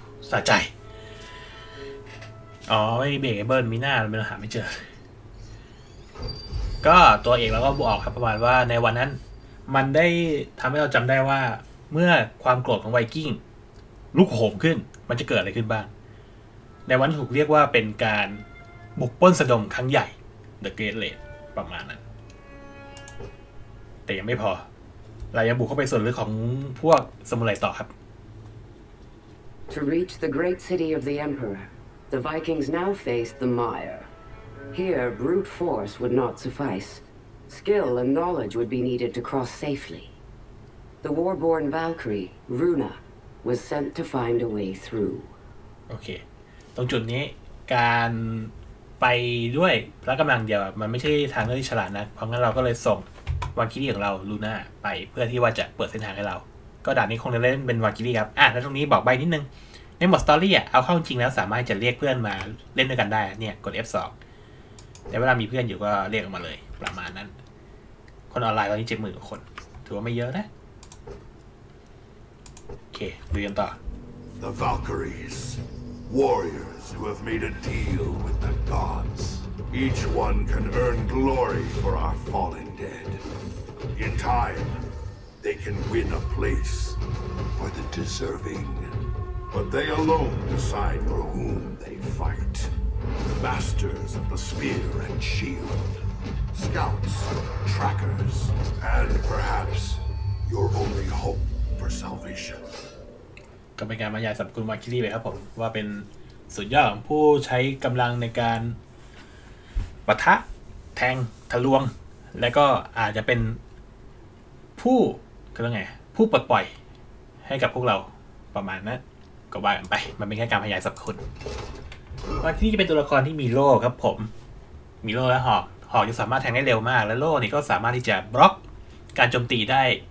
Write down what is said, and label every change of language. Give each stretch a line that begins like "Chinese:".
Thai: สะใจ อ๋อ ไม่มีเบเกเบิร์นมีหน้าเราหาไม่เจอก็ตัวเอกเราก็บอกครับประมาณว่าในวันนั้นมันได้ทำให้เราจำได้ว่าเมื่อความโกรธของไวกิ้งลุกโหมขึ้นมันจะเกิดอะไรขึ้นบ้างในวันถูกเรียกว่าเป็นการบุกป้นสะดมครั้งใหญ่ The Great Raid ประมาณนั้นแต่ยังไม่พอเรายังบุกเข้าไปส่วนลึกของพวกซามูไรต่อครับ
English: To reach the great city of the Emperor the Vikings now faced the mire Here brute force would not suffice skill and knowledge would be needed to cross safely The warborn Valkyrie Runa was sent to find a way through
Thai: โอเคตรงจุดนี้การไปด้วยพละกำลังเดียวมันไม่ใช่ทางเลือกที่ฉลาดนะเพราะงั้นเราก็เลยส่งวากิริของเราลูน่าไปเพื่อที่ว่าจะเปิดเส้นทางให้เราก็ด่านนี้คงจะเล่นเป็นวากิริครับอ่ะแล้วตรงนี้บอกใบนิดนึงในหมดสตอรี่อ่ะเอาเข้าจริงแล้วสามารถจะเรียกเพื่อนมาเล่นด้วยกันได้เนี่ยกด F2 แต่เวลามีเพื่อนอยู่ก็เรียกออกมาเลยประมาณนั้นคนออนไลน์ตอนนี้ 70,000 กว่าคนถือว่าไม่เยอะนะโอเคดูกันต่อ
English: The ValkyriesWarriors who have made a deal with the gods. Each one can earn glory for our fallen dead. In time, they can win a place for the deserving. But they alone decide for whom they fight. Masters of the spear and shield. Scouts, trackers, and perhaps your only hope for salvation.
Thai: ก็เป็นการบรรยายสรรพคุณวาคิรีไปครับผมว่าเป็นสุดยอดของผู้ใช้กำลังในการปะทะแทงทะลวงและก็อาจจะเป็นผู้ก็ไงผู้ปลดปล่อยให้กับพวกเราประมาณนั้นก็ว่ากันไปมันเป็นแค่การบรรยายสรรพคุณวาคิรีจะเป็นตัวละครที่มีโล่ครับผมมีโล่และหอกหอกจะสามารถแทงได้เร็วมากและโล่นี่ก็สามารถที่จะบล็อกการโจมตีได้